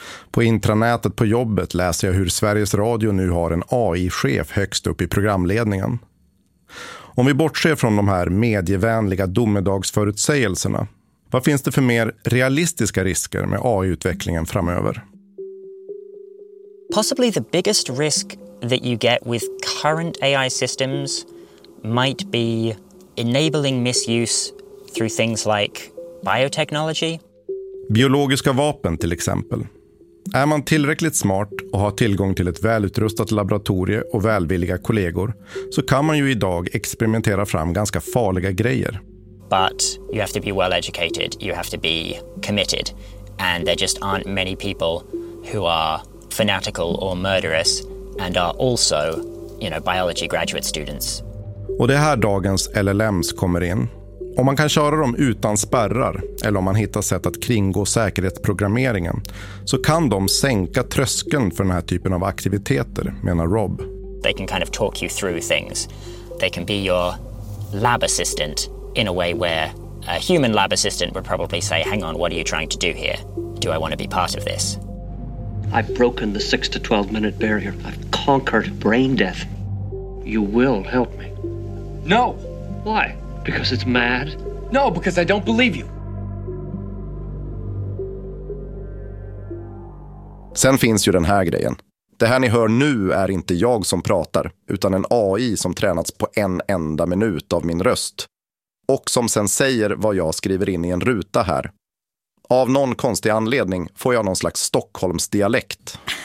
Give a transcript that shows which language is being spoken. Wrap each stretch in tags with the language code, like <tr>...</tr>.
<sv>På intranätet på jobbet läser jag hur Sveriges Radio nu har en AI-chef högst upp i programledningen. Om vi bortser från de här medievänliga domedagsförutsägelserna, vad finns det för mer realistiska risker med AI-utvecklingen framöver?</sv> <en>Possibly the biggest risk that you get with current AI systems might be enabling misuse through things like biotechnology.</en> <sv>Biologiska vapen till exempel. Är man tillräckligt smart och har tillgång till ett välutrustat laboratorium och välvilliga kollegor så kan man ju idag experimentera fram ganska farliga grejer.</sv> <en>But you have to be well educated, you have to be committed, and there just aren't many people who are fanatical or murderous and are also, you know, biology graduate students.</en> <sv>Och det är här dagens LLMs kommer in. Om man kan köra dem utan spärrar eller om man hittar sätt att kringgå säkerhetsprogrammeringen så kan de sänka tröskeln för den här typen av aktiviteter, menar Rob.</sv> <en>They can kind of talk you through things. They can be your lab assistant in a way where a human lab assistant would probably say, "Hang on, what are you trying to do here? Do I want to be part of this?" I've broken the 6-12 minute barrier. I've conquered brain death. You will help me. No. Why? Because it's mad. No, because I don't believe you.</en> <sv>Sen finns ju den här grejen. Det här ni hör nu är inte jag som pratar, utan en AI som tränats på en enda minut av min röst. Och som sen säger vad jag skriver in i en ruta här. Av någon konstig anledning får jag någon slags Stockholmsdialekt.</sv>